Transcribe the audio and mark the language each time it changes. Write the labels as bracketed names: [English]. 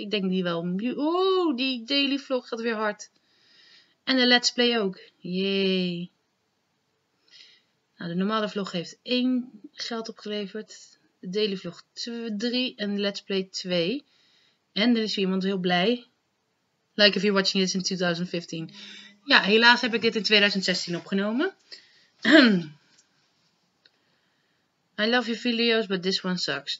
[Dutch] Ik denk die wel... Oh, die daily vlog gaat weer hard. En de let's play ook. Jee. Nou, de normale vlog heeft 1 geld opgeleverd. De daily vlog 3 en de let's play 2. En er is weer iemand heel blij. [English] Like if you're watching this in 2015. [Dutch] Ja, helaas heb ik dit in 2016 opgenomen. [English] I love your videos, but this one sucks.